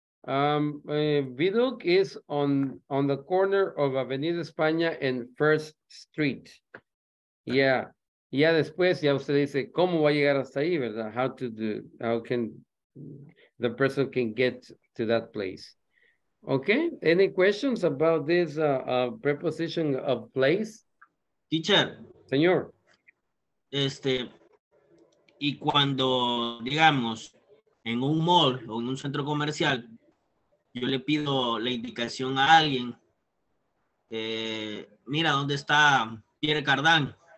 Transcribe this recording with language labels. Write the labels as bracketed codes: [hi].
[en] Viduc is on the corner of Avenida España and First Street. Yeah. [es] Y ya después, ya usted dice, ¿cómo va a llegar hasta ahí, verdad? [en] How to do, how can the person can get to that place? Okay, any questions about this preposition of place? Teacher. [es] Señor. Y cuando, digamos, en un mall o en un centro comercial, yo le pido la indicación a alguien, mira, ¿dónde está Pierre Cardin?